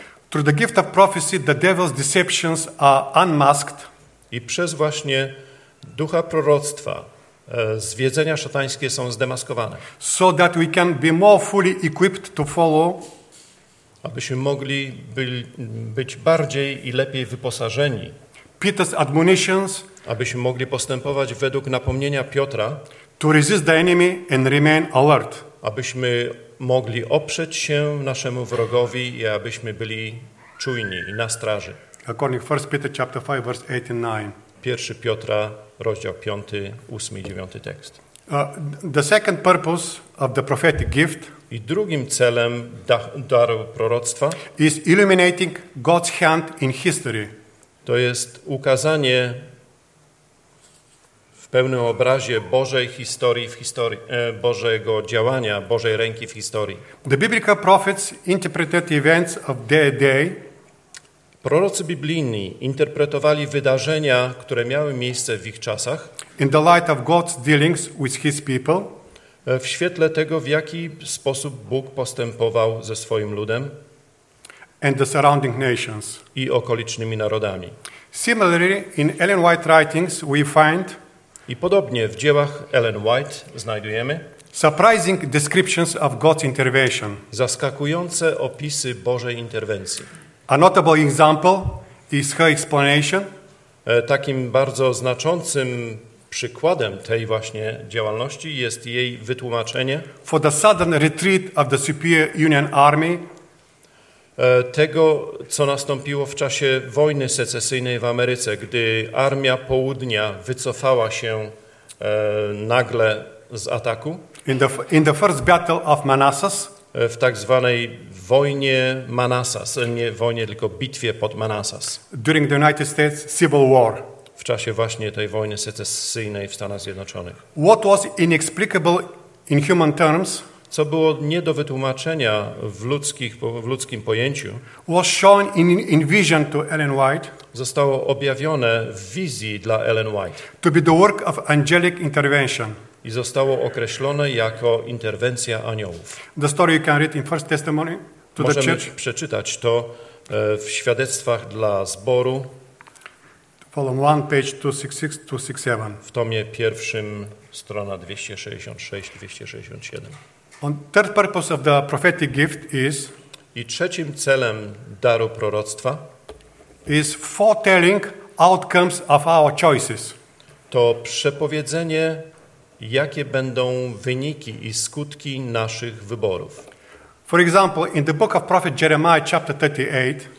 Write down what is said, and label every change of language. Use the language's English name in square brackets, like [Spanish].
[English] Through the gift of prophecy, the devil's deceptions are unmasked. [Polish] I przez właśnie ducha proroctwa zwiedzenia szatańskie są zdemaskowane. [English] So that we can be more fully equipped to follow. [Polish] Abyśmy mogli być bardziej i lepiej wyposażeni. [English] Peter's admonitions, [Polish] abyśmy mogli postępować według napomnienia Piotra, [English] to resist the enemy and remain alert, [Polish] abyśmy mogli oprzeć się naszemu wrogowi i abyśmy byli czujni i na straży. [English] According to 1 Peter chapter 5 verse 8 and 9. [Polish] 1 Piotra rozdział 5, 8 i 9 tekst. [English] The second purpose of the prophetic gift, [Polish] i drugim celem daru proroctwa, [English] is illuminating God's hand in history. [Polish] To jest ukazanie w pełnym obrazie Bożej historii, Bożego działania, Bożej ręki w historii. [English] The biblical prophets interpreted events of their day. [Polish] Prorocy biblijni interpretowali wydarzenia, które miały miejsce w ich czasach. [English] In the light of God's dealings with his people. [Polish] W świetle tego, w jaki sposób Bóg postępował ze swoim ludem. [English] And the surrounding nations. [Polish] I okolicznymi narodami. [English] Similarly, in Ellen White writings, we find. [Polish] I podobnie w dziełach Ellen White znajdujemy. [English] Surprising descriptions of God's intervention. [Polish] Zaskakujące opisy Bożej interwencji. [English] A notable example is her explanation. [Polish] Takim bardzo znaczącym przykładem tej właśnie działalności jest jej wytłumaczenie. [English] For the sudden retreat of the Superior Union Army. [Polish] Tego, co nastąpiło w czasie wojny secesyjnej w Ameryce, gdy Armia Południa wycofała się nagle z ataku. [English] In the first battle of Manassas. [Polish] W tak zwanej wojnie Manassas, nie wojnie, tylko bitwie pod Manassas. [English] During the United States Civil War. [Polish] W czasie właśnie tej wojny secesyjnej w Stanach Zjednoczonych. [English] What was inexplicable in human terms, [Polish] co było nie do wytłumaczenia w ludzkim pojęciu, [English] was shown in vision to Ellen White, [Polish] zostało objawione w wizji dla Ellen White, [English] to be the work of angelic intervention, [Polish] i zostało określone jako interwencja aniołów. [English] The story you can read in First Testimony to [Polish] możemy [English] the church, [Polish] przeczytać to w świadectwach dla zboru, [English] volume 1, page 266-267. [Polish] W tomie pierwszym, strona 266-267. [English] Third purpose of the prophetic gift is, [Polish] i trzecim celem daru proroctwa, [English] is foretelling outcomes of our choices. [Polish] To przepowiedzenie, jakie będą wyniki i skutki naszych wyborów. [English] For example, in the book of prophet Jeremiah chapter 38,